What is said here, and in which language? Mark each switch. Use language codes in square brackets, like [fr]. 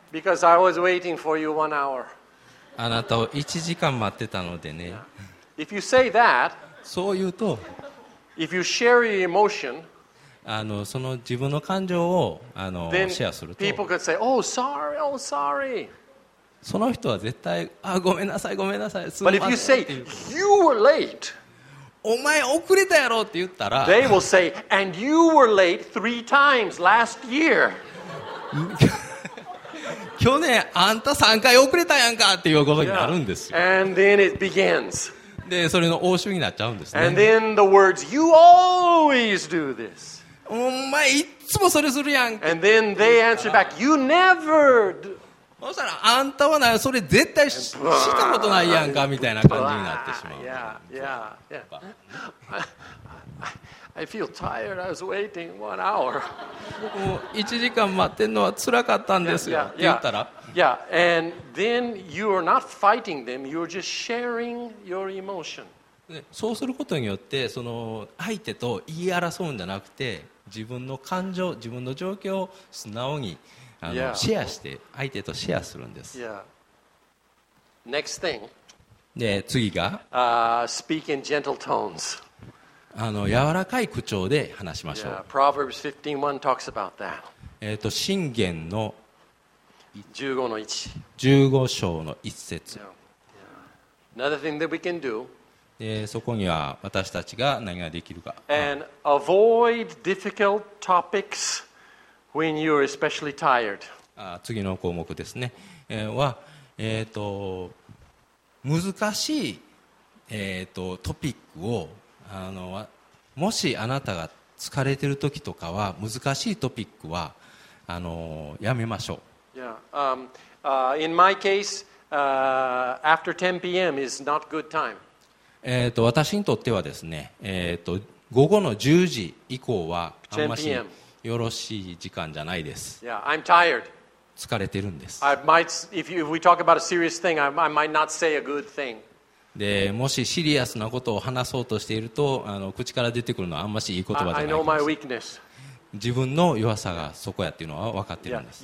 [en] Because I was waiting for you 1 hour. [ja] あなたを1時間待ってたのでね。 [en] If you say that, [ja] そう言うと、 [en] if you share your emotion, [ja] その自分の感情を [en] then [ja] シェアすると、 [en] people could say, oh, sorry, oh, sorry. [ja] その人は絶対、あ、ごめんなさい、ごめんなさい、すみません。 [en] But if you say, you were late, [ja] お前遅れたやろって言ったら [en] They will say, and you were late 3 times last year. [ja] 去年あんた3回遅れたやんかっていうことになるんですよ。 [en] Yeah. And then it begins. [ja] で、それの応酬になっちゃうんですね。 [en] And then the words, you always do this. [ja] お前いつもそれするやん。 [en] And then they answer back, you never do. [ja] そしたらあんたはな、それ絶対したことないやんかみたいな感じになってしまう。 [en] I feel tired. I was waiting 1 hour. [ja] もう1時間待ってんのは辛かったんですよ。って言ったら。 [en] Yeah, and then you are not fighting them. You're just sharing your emotion. [ja] そうすることによって、その相手と言い争うんじゃなくて、自分の感情、自分の状況を素直に、シェアして、相手とシェアするんです。 [en] Next thing. [ja] で、次が。 [en] Speak in gentle tones. [ja] 柔らかい口調で話しましょう。 [en] Yeah. Proverbs 15:1 talks about that. [ja] 箴言の 15:1. 15章の1節。 [en] Yeah. Yeah. Another thing that we can do. [ja] で、そこには私たちが何ができるか。 [en] And avoid difficult topics. When you're especially tired. [ja] 次の項目ですね、は、難しい、トピックをもしあなたが疲れてる時とかは難しいトピックはやめましょう。 [en] In my case, after 10 p.m. is not good time. [ja] 私にとってはですね、午後の10時以降はあんまし。よろしい時間じゃないです。 [en] Yeah, I'm tired. [ja] 疲れてるんです。 [en] I might, if we talk about a serious thing, I might not say a good thing. [ja] で、もしシリアスなことを話そうとしていると、口から出てくるのはあんましいい言葉じゃない。 [en] I know my weakness. [ja] 自分の弱さがそこやっていうのは分かってるんです。